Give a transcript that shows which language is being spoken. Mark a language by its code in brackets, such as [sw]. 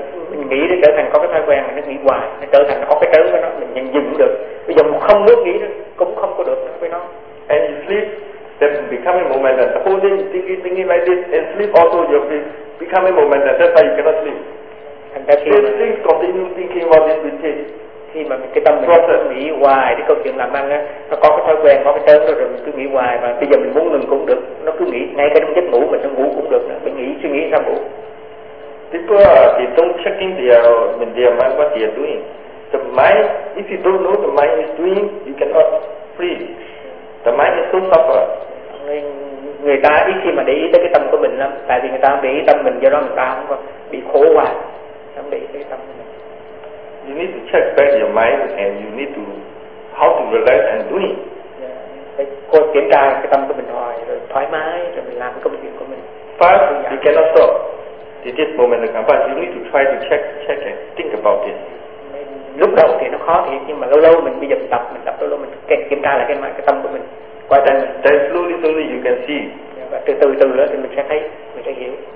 [vi] Mình nghĩ để trở thành có cái thói quen mà nó nghĩ hoài, nó trở thành nó có cái cớ của nó, mình nhận dừng được. Bây giờ một không muốn nghĩ cũng không có được với nó. [en] And you sleep, then becoming momentum. The whole day thinking like this, and sleep also you'll be becoming momentum. That's why you cannot sleep. And that's so sleep continue thinking about this routine. [vi] Khi mà cái tâm mình cứ nghĩ hoài cái câu chuyện làm ăn á, nó có cái thói quen, có cái tớ rồi mình cứ nghĩ hoài, và bây giờ mình muốn ngừng cũng được, nó cứ nghĩ ngay cái trong giấc ngủ mình, nó ngủ cũng được nữa, mình nghĩ suy nghĩ sao ngủ. [en] People they don't check in their mind what they are doing. The mind, if you don't know the mind is doing, you cannot free. The mind is so suffer. [vi] Người ta ít khi mà để ý tới cái tâm của mình lắm, tại vì người ta không để ý tâm mình, do đó người ta không có bị khổ hoài, không để ý tới tâm mình. [en] You need to check back your mind, and you need to how to relax and do it. [vi] Cô kiểm tra cái tâm của mình hỏi, rồi thoải mái, rồi mình làm công việc của mình. [en] First, you cannot stop. This moment is coming, but you need to try to check and think about this. [vi] Lúc đầu thì nó khó thiệt, nhưng mà lâu lâu mình bây giờ mình tập lâu lâu mình kiểm tra lại cái tâm của mình. Quá trình. [en] Then slowly you can see. [vi] Và từ từ nữa thì mình sẽ thấy, mình sẽ hiểu.